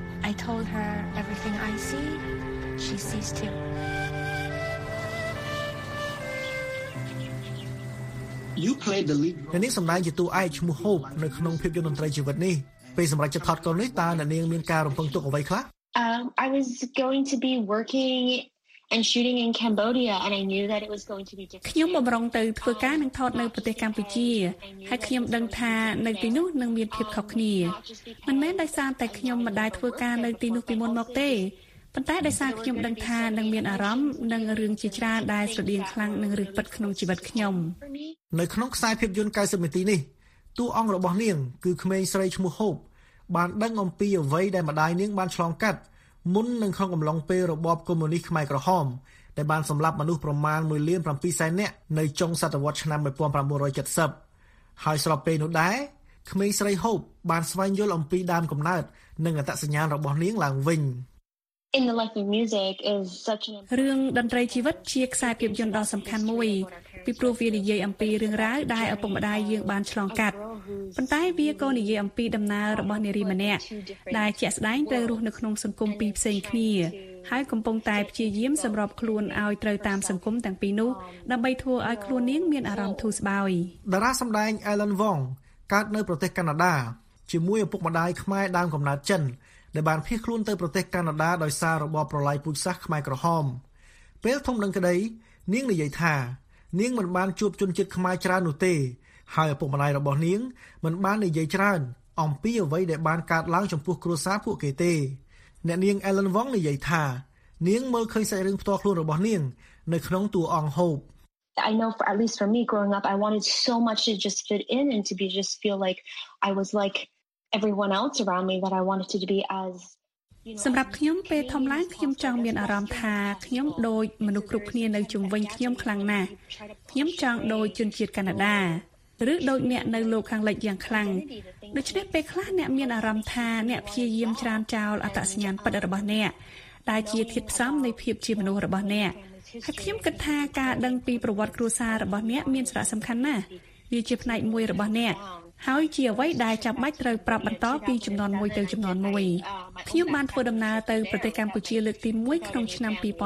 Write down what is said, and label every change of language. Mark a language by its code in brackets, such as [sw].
[en] I told her everything I see she sees too You played the lead role. [km] នេះសម្ដែងជាតួឯកឈ្មោះ Hope នៅក្នុងភាពយន្តតន្ត្រីជីវិតនេះ។ពេលសម្រាប់ចិត្តថតកូននេះតើអ្នកនាងមានការរំពឹងទុកអ្វីខ្លះ? [en] I was going to be working and shooting in Cambodia and I knew that it was going to be difficult. [km] ខ្ញុំបំរុងទៅធ្វើការនឹងថតនៅប្រទេសកម្ពុជាហើយខ្ញុំដឹងថានៅទីនោះនឹងមានភាពខុសគ្នា។មិនមែនដោយសារតែខ្ញុំមិនដែលធ្វើការនៅទីនោះពីមុនមកទេ។ប៉ុន្តែដោយសារខ្ញុំដឹងថានឹងមានអារម្មណ៍នឹងរឿងជាច្រើនដែលស្រដៀងខ្លាំងនឹងរឿងពិតក្នុងជីវិតខ្ញុំ នៅក្នុងខ្សែភាពយន្ត90នាទីនេះតួអង្គរបស់នាងគឺក្មេងស្រីឈ្មោះ Hope បានដឹងអំពីអ្វីដែលម្ដាយនាងបានឆ្លងកាត់មុននឹងក្នុងកំឡុងពេលរបបកុម្មុយនីស្តខ្មែរក្រហមដែលបានសម្លាប់មនុស្សប្រមាណ 1.7 លាននៅចុងសតវត្សឆ្នាំ1970ហើយស្របពេលនោះដែរក្មេងស្រី Hope បានស្វែងយល់អំពីដើមកំណើតនិងអត្តសញ្ញាណរបស់នាងឡើងវិញ [en] In the life of music is such an [km] រឿងតន្ត្រីជីវិតជាខ្សែភាពយន្តដ៏សំខាន់មួយពីព្រោះវានិយាយអំពីរឿងរ៉ាវដែលឪពុកម្ដាយយើងបានឆ្លងកាត់ប៉ុន្តែវាក៏និយាយអំពីដំណើររបស់នារីម្នាក់ដែលជាក់ស្ដែងត្រូវរស់នៅក្នុងសង្គមពីរផ្សេងគ្នា ហើយកំពុងតែព្យាយាមសម្របខ្លួនឲ្យត្រូវតាមសង្គមទាំងពីរនោះដើម្បីធ្វើឲ្យខ្លួននាងមានអារម្មណ៍ធូរស្បើយ តារាសម្ដែង Alan Wong កើតនៅប្រទេសកាណាដាជាមួយឪពុកម្ដាយខ្មែរដើមកំណើតចិនដែលបានភៀសខ្លួនទៅប្រទេសកាណាដាដោយសាររបបប្រល័យពូជសាសន៍ខ្មែរក្រហមពេលធំដឹងក្តីនាងនិយាយថានាងមិនបានជួបជនជាតិខ្មែរច្រើននោះទេហើយឪពុកម្ដាយរបស់នាងមិនបាននិយាយច្រើនអំពីអ្វីដែលបានកើតឡើងចំពោះគ្រួសារពួកគេទេអ្នកនាង Alan Wong និយាយថានាងមើលឃើញសាច់រឿងផ្ទាល់ខ្លួនរបស់នាងនៅក្នុងតួអង្គហូប [en] I know for at least for me growing up I wanted so much to just fit in and to be just feel like I was like everyone else around me that I wanted to be as [km] សម្រាប់ខ្ញុំពេលធំឡើងខ្ញុំចង់មានអារម្មណ៍ថាខ្ញុំដូចមនុស្សគ្រប់គ្នានៅជុំវិញខ្ញុំខ្លាំងណាស់ខ្ញុំចង់ដូចជនជាតិកាណាដា ឬដូចអ្នកនៅលោកខាងលិចយ៉ាងខ្លាំងដូច្នេះពេលខ្លះអ្នកមានអារម្មណ៍ថាអ្នកព្យាយាមច្រានចោលអត្តសញ្ញាណពិតរបស់អ្នកដែលជាធាតុផ្សំនៃភាពជាមនុស្សរបស់អ្នកហើយខ្ញុំគិតថាការដឹងពីប្រវត្តិគ្រួសាររបស់អ្នកមានសារៈសំខាន់ណាស់វាជាផ្នែកមួយរបស់អ្នកហើយជាអ្វីដែលចាំបាច់ត្រូវប្រាប់បន្តពីជំនាន់មួយទៅជំនាន់មួយខ្ញុំបានធ្វើដំណើរទៅប្រទេសកម្ពុជាលើកទី1ក្នុងឆ្នាំ2007